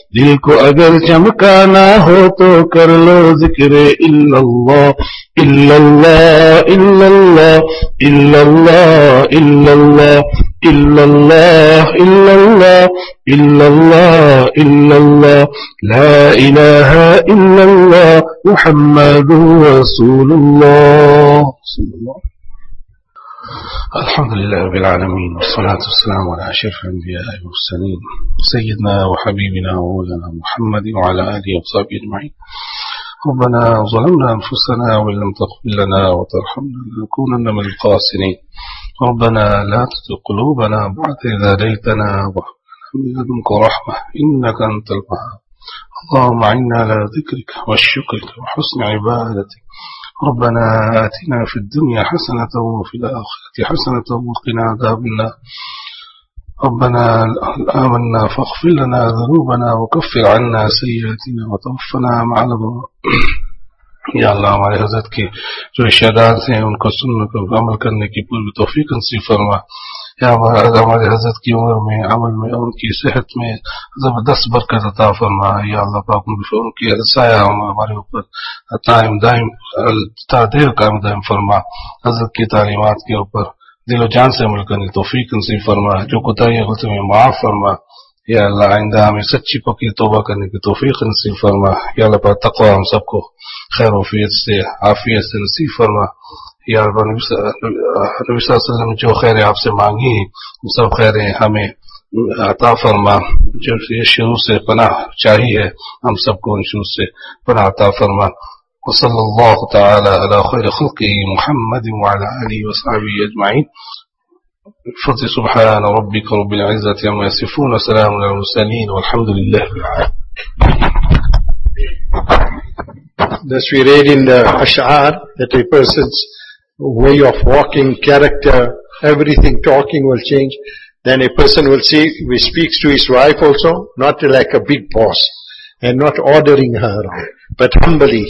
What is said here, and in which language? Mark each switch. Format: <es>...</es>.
<ur>دل کو اگر چمکانا ہو تو کر لو ذکر الا اللہ الا اللہ الا اللہ الا اللہ الا اللہ الا اللہ الا اللہ الا اللہ الا اللہ لا الہ الا اللہ محمد رسول اللہ.</ur> <ar>الحمد لله رب العالمين والصلاة والسلام على أشرف الأنبياء والمرسلين سيدنا وحبيبنا ومولانا محمد وعلى آله وصحبه أجمعين. ربنا ظلمنا أنفسنا وإن لم تغفر لنا وترحمنا لنكونن من الخاسرين. ربنا لا تزغ قلوبنا بعد إذ هديتنا وهب لنا من لدنك رحمة إنك أنت الوهاب. اللهم عنا على ذكرك وشكرك وحسن عبادتك. ربنا آتنا في الدنيا حسنة وفي الآخرة حسنة وقنا عذاب النار. ربنا آمنا فاغفر لنا ذنوبنا وكفر عنا سيئاتنا وتوفنا مع الأبرار.</ar> <ur>یا اللہ ہمارے حضرت کے جو اشارات ہیں ان کو سننے کو عمل کرنے کی پوری توفیق نصیب فرما. یا ہمارے حضرت کی عمر میں عمل میں ان کی صحت میں زبردست برکت عطا فرما. یا اللہ پاک ان کی سایہ ہمارے اوپر قائم دائم فرما. حضرت کی تعلیمات کے اوپر دل و جان سے عمل کرنے توفیق نصیب فرما. جو کوتاہیاں ہوتے ہیں معاف فرما. یا اللہ آئندہ ہمیں سچی پکی توبہ کرنے کی توفیق نصیب فرما. یا اللہ پاک تقوی ہم سب کو خیر و عافیت سے نصیب فرما. یا اللہ نبی صلی اللہ علیہ وسلم جو خیر آپ سے مانگی ہیں وہ سب خیریں ہمیں عطا فرما. جو شروع سے پناہ چاہیے ہم سب کو ان شروع سے پناہ عطا فرما.</ur> <ar>وصلی اللہ تعالی علی خیر خلقہ محمد وعلى آلہ وصحبہ اجمعین. فضل سبحان ربك رب العزة عما يصفون وسلام على المرسلين والحمد لله.</ar> <en>Thus we read in the Ash'ar that a person's way of walking, character, everything talking will change. Then a person will see, he speaks to his wife also, not like a big boss and not ordering her, but humbly.</en>